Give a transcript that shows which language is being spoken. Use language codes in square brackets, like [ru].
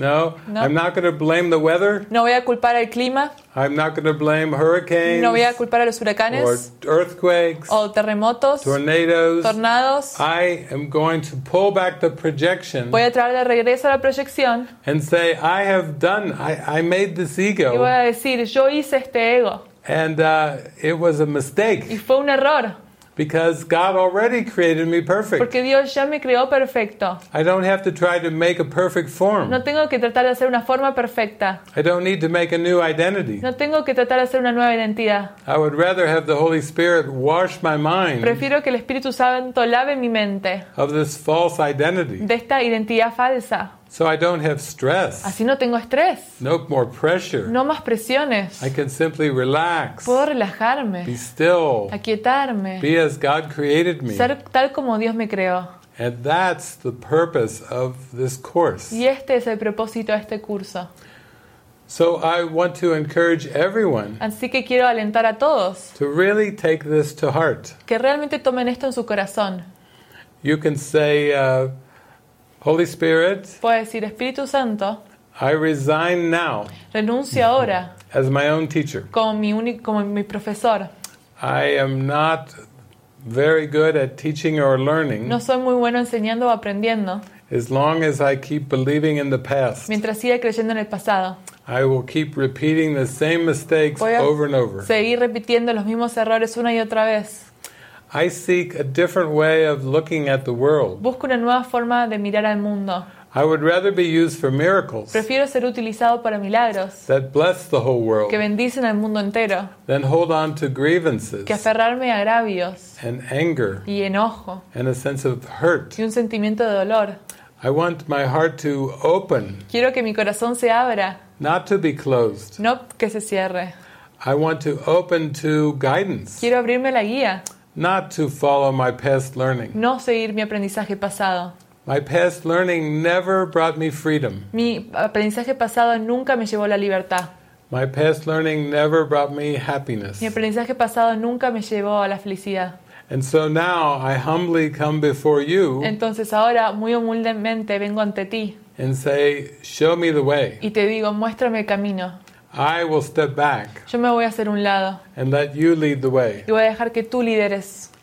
[en] No, I'm not going to blame the weather. [es] No voy a culpar al clima. [en] I'm not going to blame hurricanes. [es] No voy a culpar a los huracanes. [en] Or earthquakes. [es] O terremotos. [en] Tornadoes. [es] Tornados. [en] I am going to pull back the projection. [es] Voy a traer de regreso la proyección. [en] And say, I have done. I made this ego. [es] Y voy a decir, yo hice este ego. [en] And it was a mistake. [es] Y fue un error. [en] Because God already created me perfect. [es] Porque Dios ya me creó perfecto. [en] I don't have to try to make a perfect form. [es] No tengo que tratar de hacer una forma perfecta. [en] I don't need to make a new identity. [es] No tengo que tratar de hacer una nueva identidad. [en] I would rather have the Holy Spirit wash my mind. [es] Prefiero que el Espíritu Santo lave mi mente. [en] Of this false identity. [es] De esta identidad falsa. [en] So I don't have stress. [es] Así no tengo estrés. [en] No more pressure. [es] No más presiones. [en] I can simply relax. [es] Puedo relajarme. [en] Be still. [es] Aquietarme. [en] Be as God created me. [es] Ser tal como Dios me creó. [en] And that's the purpose of this course. [es] Y este es el propósito de este curso. [en] So I want to encourage everyone. [es] Así que quiero alentar a todos. [en] To really take this to heart. [es] Que realmente tomen esto en su corazón. [en] You can say Holy Spirit, [es] puedes decir, Espíritu Santo, [en] I resign now. [es] Renuncio ahora. [en] As my own teacher. [es] Como mi profesor. [en] I am not very good at teaching or learning. [es] No soy muy bueno enseñando o aprendiendo. [en] As long as I keep believing in the past. [es] Mientras siga creyendo en el pasado. [en] I will keep repeating the same mistakes over and over. [es] Seguir repitiendo los mismos errores una y otra vez. [en] I seek a different way of looking at the world. [es] Busco una nueva forma de mirar al mundo. [en] I would rather be used for miracles. [es] Prefiero ser utilizado para milagros. [en] That bless the whole world. [es] Que bendicen al mundo entero. [en] Than hold on to grievances. [es] Que aferrarme a agravios. [en] And anger. [es] Y enojo. [en] And a sense of hurt. [es] Y un sentimiento de dolor. [en] I want my heart to open. [es] Quiero que mi corazón se abra. [en] Not to be closed. [es] No que se cierre. [en] I want to open to guidance. [es] Quiero abrirme la guía. [en] Not to follow my past learning. [es] No seguir mi aprendizaje pasado. [en] My past learning never brought me freedom. [es] Mi aprendizaje pasado nunca me llevó la libertad. [en] My past learning never brought me happiness. [es] Mi aprendizaje pasado nunca me llevó a la felicidad. [en] And so now I humbly come before you. [es] Entonces ahora muy humildemente vengo ante ti. [en] And say, show me the way. [es] Y te digo, muéstrame el camino. [en] I will step back. [es] Yo me voy a hacer un lado. [en] And let you lead the way. [es] Y voy a dejar que tú lideres.